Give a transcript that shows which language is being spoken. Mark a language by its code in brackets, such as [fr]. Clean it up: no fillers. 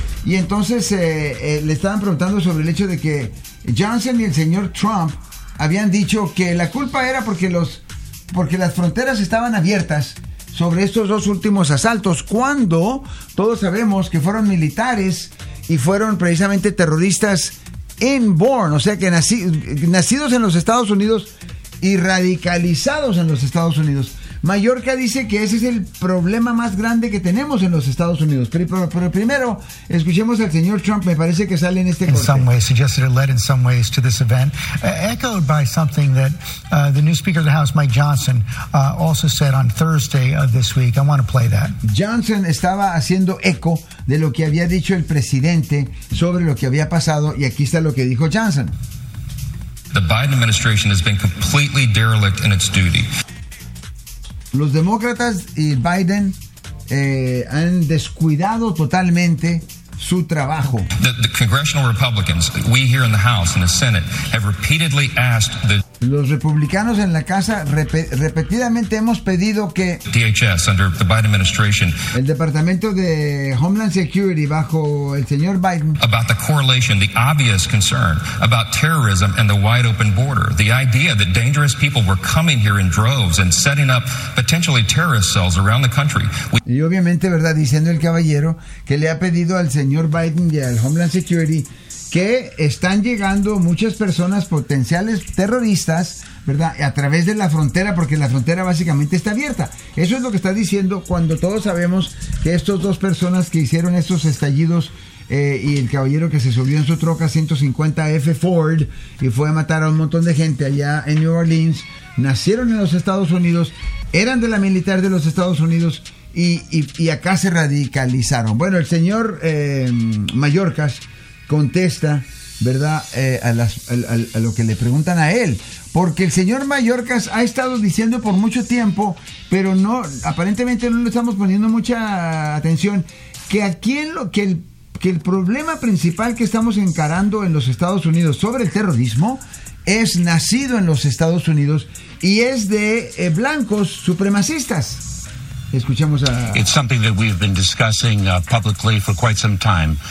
[es] Y entonces le estaban preguntando sobre el hecho de que Johnson y el señor Trump habían dicho que la culpa era porque las fronteras estaban abiertas sobre estos dos últimos asaltos, cuando todos sabemos que fueron militares y fueron precisamente terroristas inborn, o sea que nacidos en los Estados Unidos y radicalizados en los Estados Unidos. Mallorca dice que ese es el problema más grande que tenemos en los Estados Unidos. Pero primero, escuchemos al señor Trump, me parece que sale en este corte. [en] In some ways, suggested it led in some ways to this event, echoed by something that the new Speaker of the House, Mike Johnson, also said on Thursday of this week. I want to play that. [es] Johnson estaba haciendo eco de lo que había dicho el presidente sobre lo que había pasado, y aquí está lo que dijo Johnson. [en] The Biden administration has been completely derelict in its duty. [es] Los demócratas y Biden han descuidado totalmente su trabajo. [en] The congressional Republicans, we here in the House and the Senate, have repeatedly asked the [es] Los republicanos en la casa repetidamente hemos pedido que [en] DHS under the Biden administration, [es] el Departamento de Homeland Security bajo el señor Biden, [en] about the correlation, the obvious concern about terrorism and the wide open border, the idea that dangerous people were coming here in droves and setting up potentially terrorist cells around the country. [es] Y obviamente, verdad, diciendo el caballero que le ha pedido al señor Biden y al Homeland Security que están llegando muchas personas potenciales terroristas, ¿verdad?, a través de la frontera, porque la frontera básicamente está abierta. Eso es lo que está diciendo, cuando todos sabemos que estas dos personas que hicieron estos estallidos y el caballero que se subió en su troca 150F Ford y fue a matar a un montón de gente allá en New Orleans, nacieron en los Estados Unidos, eran de la militar de los Estados Unidos y acá se radicalizaron. Bueno, el señor Mayorkas contesta, ¿verdad?, a lo que le preguntan a él, porque el señor Mayorkas ha estado diciendo por mucho tiempo, pero no, aparentemente no le estamos poniendo mucha atención, que aquí en lo que el problema principal que estamos encarando en los Estados Unidos sobre el terrorismo es nacido en los Estados Unidos y es de blancos supremacistas. Escuchemos a [en] It's something that we've been discussing publicly for quite some time.